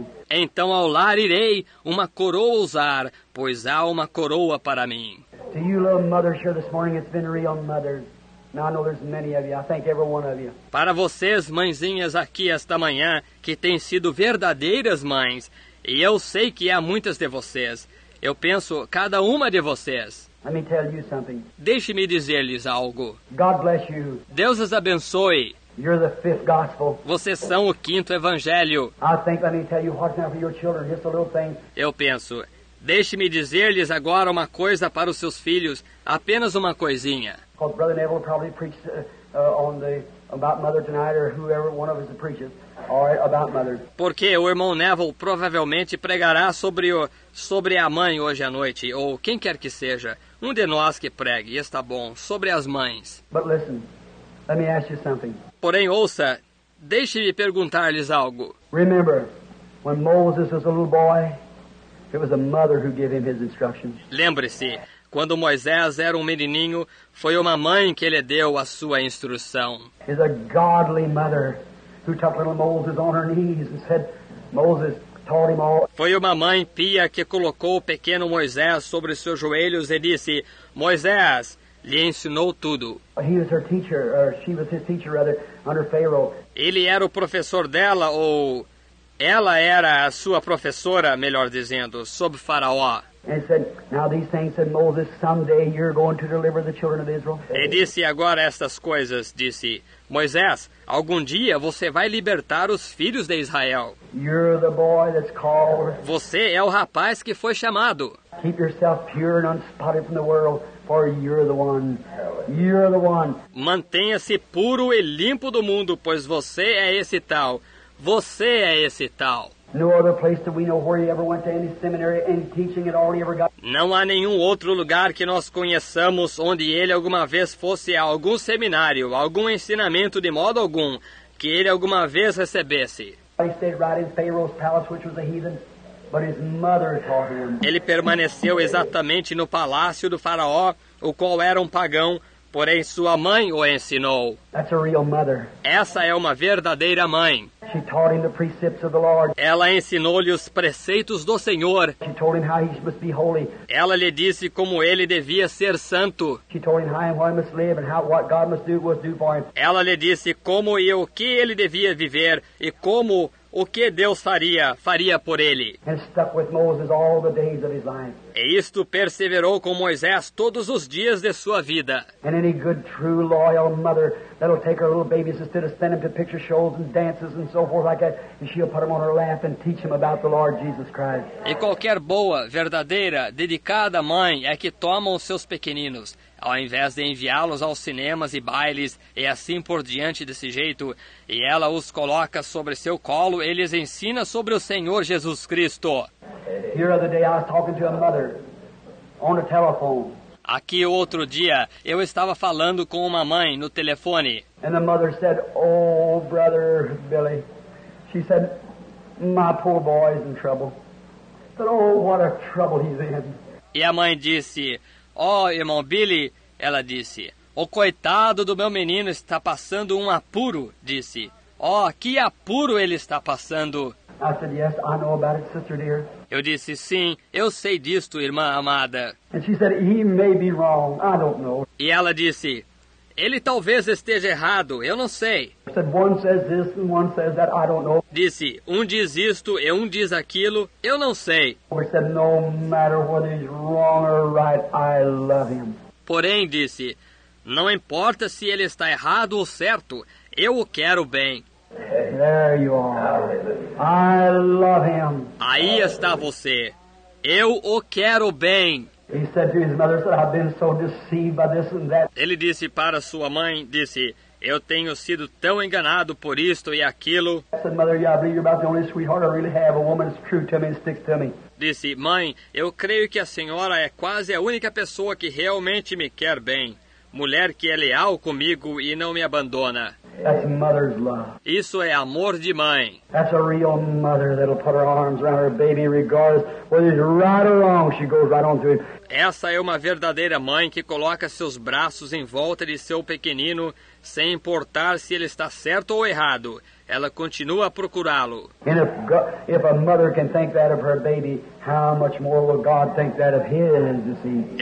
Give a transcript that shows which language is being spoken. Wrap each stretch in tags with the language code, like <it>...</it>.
<pt>Então ao lar irei uma coroa usar, pois há uma coroa para mim.</pt> <en>To you, little mothers here this morning, it's been real mothers. Now I know there's many of you. I thank every one of you.</en> <pt>Para vocês, mãezinhas aqui esta manhã, que têm sido verdadeiras mães, e eu sei que há muitas de vocês. Eu penso cada uma de vocês.</pt> <en>Let me tell you something.</en> <pt>Deixe-me dizer-lhes algo.</pt> <en>God bless you.</en> <pt>Deus as abençoe.</pt> <en>You're the fifth gospel.</en> <pt>Vocês são o quinto evangelho.</pt> <en>I think, let me tell you what's now for your children, just a little thing.</en> <pt>Eu penso. Deixe-me dizer-lhes agora uma coisa para os seus filhos, apenas uma coisinha.</pt> <en>Because Brother Neville probably preached on the about mother tonight, or whoever one of us preaches.</en> <pt>Porque o irmão Neville provavelmente pregará sobre a mãe hoje à noite, ou quem quer que seja, um de nós que pregue, está bom, sobre as mães.</pt> <en>But listen, let me ask you something.</en> <pt>Porém, ouça, deixe-me perguntar-lhes algo.</pt> <en>Remember, when Moses was a little boy, it was the mother who gave him his instructions.</en> <pt>Lembre-se, quando Moisés era um menininho, foi uma mãe que lhe deu a sua instrução.</pt> <en>It's a godly mother. Who took little Moses on her knees and said, Moses taught him all.</en> <pt>Foi uma mãe pia que colocou o pequeno Moisés sobre seus joelhos e disse, Moisés, lhe ensinou tudo.</pt> <en>He was her teacher, or she was his teacher rather, under Pharaoh.</en> <pt>Ele era o professor dela, ou ela era a sua professora, melhor dizendo, sob Faraó.</pt> <en>And said, now these things said Moses, someday you're going to deliver the children of Israel.</en> <pt>E disse agora estas coisas, disse Moisés, algum dia você vai libertar os filhos de Israel.</pt> <en>You're the boy that's called.</en> <pt>Você é o rapaz que foi chamado.</pt> <en>Keep yourself pure and unspotted from the world, for you're the one. You're the one.</en> <pt>Mantenha-se puro e limpo do mundo, pois você é esse tal. Você é esse tal.</pt> <en>No other place that we know where he ever went to any seminary, any teaching at all he ever got.</en> <pt>Não há nenhum outro lugar que nós conheçamos onde ele alguma vez fosse a algum seminário, algum ensinamento de modo algum, que ele alguma vez recebesse.</pt> <en>He stayed right in Pharaoh's palace, which was a heathen, but his mother taught him.</en> <pt>Ele permaneceu exatamente no palácio do faraó, o qual era um pagão, porém sua mãe o ensinou.</pt> <en>That's a real mother.</en> <pt>Essa é uma verdadeira mãe.</pt> <en>She taught him the precepts of the Lord.</en> <pt>Ela ensinou-lhe os preceitos do Senhor.</pt> <en>She told him how he must be holy.</en> <pt>Ela lhe disse como ele devia ser santo.</pt> <en>She told him how he must live and how what God must do was do for him.</en> <pt>Ela lhe disse como e o que ele devia viver e como o que Deus faria por ele.</pt> <en>And stuck with Moses all the days of his life.</en> <pt>E isto perseverou com Moisés todos os dias de sua vida.</pt> <en>And any good, true, loyal mother that'll take her little babies instead of send them to picture shows and dances and so forth like that, and she'll put them on her lap and teach them about the Lord Jesus Christ.</en> <pt>E qualquer boa, verdadeira, dedicada mãe é que toma os seus pequeninos, ao invés de enviá-los aos cinemas e bailes e assim por diante desse jeito, e ela os coloca sobre seu colo e lhes ensina sobre o Senhor Jesus Cristo.</pt> <en>Here other day I was talking to a mother on the telephone.</en> <pt>Aqui outro dia eu estava falando com uma mãe no telefone.</pt> <en>And the mother said, "Oh, brother Billy," she said, "my poor boy is in trouble." But oh, what a trouble he's in.</en> <pt>E a mãe disse, "Oh, irmão Billy," ela disse, "o coitado do meu menino está passando um apuro," disse. "Oh, que apuro ele está passando."</pt> <en>I said, "Yes, I know about it, sister dear."</en> <pt>Eu disse, sim, eu sei disto, irmã amada.</pt> <en>And she said, "He may be wrong. I don't know."</en> <pt>E ela disse, ele talvez esteja errado, eu não sei.</pt> <en>Said, "One says this and one says that. I don't know."</en> <pt>Disse, um diz isto e um diz aquilo, eu não sei.</pt> <en>Said, "No matter whether he's wrong or right, I love him."</en> <pt>Porém, disse, não importa se ele está errado ou certo, eu o quero bem.</pt> <en>There you are. I love him.</en> <pt>Aí está você. Eu o quero bem.</pt> <en>He said to his mother, "I've been so deceived by this and that."</en> <pt>Ele disse para sua mãe, disse, eu tenho sido tão enganado por isto e aquilo.</pt> <en>I said, "Mother, yeah, I believe you're about the only sweetheart I really have. A woman is true to me and sticks to me."</en> <pt>Disse, mãe, eu creio que a senhora é quase a única pessoa que realmente me quer bem. Mulher que é leal comigo e não me abandona.</pt> <en>That's mother's love.</en> <pt>Isso é amor de mãe.</pt> <en>That's a real mother that'll put her arms around her baby regardless whether he's right or wrong. She goes right on to him.</en> <pt>Essa é uma verdadeira mãe que coloca seus braços em volta de seu pequenino sem importar se ele está certo ou errado. Ela continua a procurá-lo.</pt> <en>And if a mother can think that of her baby, how much more will God think that of his, you see?</en>